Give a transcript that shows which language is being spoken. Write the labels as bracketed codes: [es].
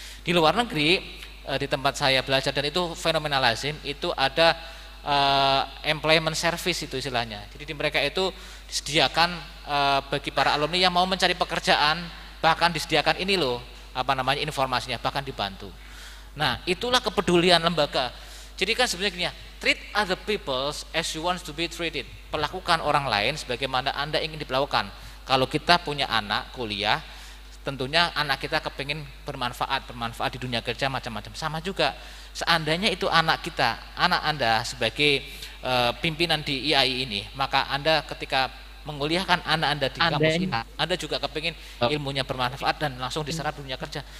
[id] Di luar negeri di tempat saya belajar dan itu fenomenal lazim, itu ada employment service itu istilahnya. Jadi di mereka itu disediakan bagi para alumni yang mau mencari pekerjaan, bahkan disediakan ini loh informasinya, bahkan dibantu. Nah, itulah kepedulian lembaga. Jadi kan sebenarnya gini ya, [en] treat other people as you want to be treated. [id] Perlakukan orang lain sebagaimana Anda ingin diperlakukan. Kalau kita punya anak kuliah, tentunya anak kita kepingin bermanfaat di dunia kerja macam-macam. Sama juga seandainya itu anak kita, anak Anda sebagai pimpinan di IAI ini, maka Anda ketika menguliahkan anak Anda di kampus ini, Anda juga kepingin ilmunya bermanfaat dan langsung diserap dunia kerja.